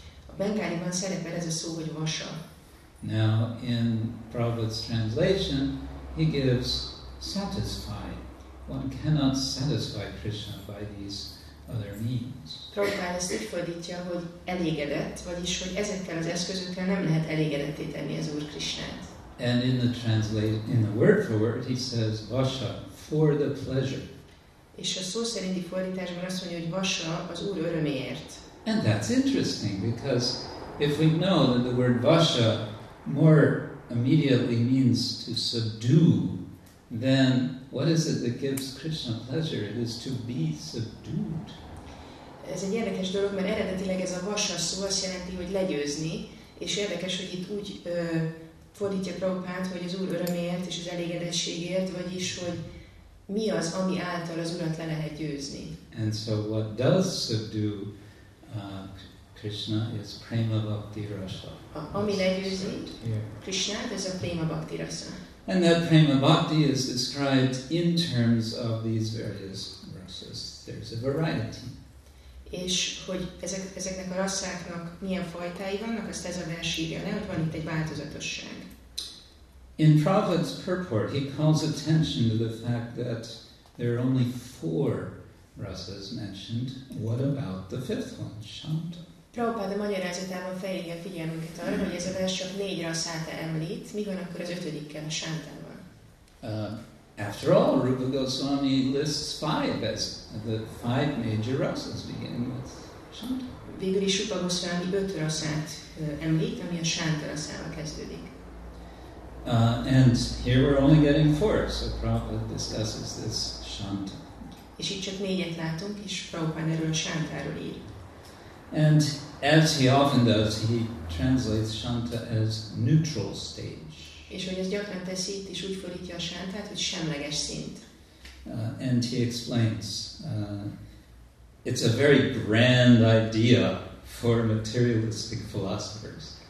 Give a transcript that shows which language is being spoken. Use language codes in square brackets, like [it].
[hu] A bengáliban szerepel ez a szó, hogy vasa. [en] Now, in Prabhupada's translation, he gives satisfy. One cannot satisfy Krishna by these other means. [hu] Prabhupada ezt úgy fordítja, hogy elégedett, vagyis hogy ezekkel az eszközökkel nem lehet elégedetté tenni az Úr Krisnát. [en] And in the translate, in the word for word, he says vasa for the pleasure. [hu] És a szó szerinti fordításban azt mondja, hogy vasa az Úr öröméért. [en] And that's interesting because if we know that the word vasa more immediately means to subdue, then what is it that gives Krishna pleasure? It is to be subdued. [hu] Ez egy érdekes dolog, mert eredetileg ez a vasa szó azt jelenti, hogy legyőzni, és érdekes, hogy itt úgy fordítja Prabhupát, hogy az Úr öröméért és az elégedettségért, vagyis, hogy mi az, ami által az Urat le lehet győzni. [en] And so what does subdue Krishna is prema bhakti rasa. [hu] Ami legyőzi Krishnát, ez a prema bhakti rasa. [en] And that prema bhakti is described in terms of these various rasas. There's a variety. [hu] És hogy ezeknek a rasszáknak milyen fajtái vannak, azt ez a vers írja le, hogy van itt egy változatosság. [en] In Prabhupada's purport, he calls attention to the fact that there are only four rasas mentioned. What about the fifth one, Shanta? [hu] Prabhupada magyarázatában felhívja a figyelmünket arra, hogy ez a vers csak négy rasszát említ, mi van akkor az ötödikkel, a sántával? [en] After all, Rupa Goswami lists five as the five major rasas, beginning with shanta. [hu] Végül is Rupa Goswami öt rasszát említ, ami a sánta rasszával kezdődik. [en] And here we're only getting four, so Prabhupada discusses this shanta. [hu] És itt csak négyet látunk, és Prabhupada erről a sántáról ír. [en] And as he often does, he translates shanta as neutral stage. [hu] És hogy ezt gyakran teszi, itt is úgy fordítja a sántát, hogy semleges szint. [en] And he explains, it's a very grand idea for materialistic philosophers.